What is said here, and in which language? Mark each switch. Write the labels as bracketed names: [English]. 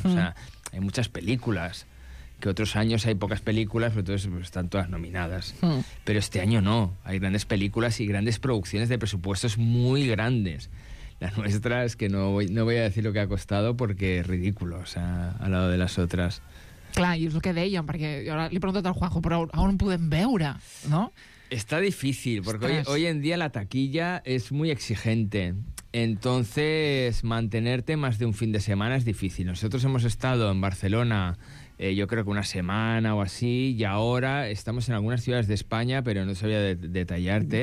[Spanish] O sea, hay muchas películas. Que otros años hay pocas películas, pero entonces pues, están todas nominadas. Pero este año no. Hay grandes películas y grandes producciones de presupuestos muy grandes. La nuestra es que no voy a decir lo que ha costado porque es ridículo, o sea, al lado de las otras. [Catalan] Clar, i és el que dèiem, perquè jo ara li he preguntat al Juanjo, però on podem veure, no? [Spanish] Está difícil, porque hoy en día la taquilla es muy exigente. Entonces, mantenerte más de un fin de semana es difícil. Nosotros hemos estado en Barcelona, yo creo que una semana o así, y ahora estamos en algunas ciudades de España, pero no sabía detallarte.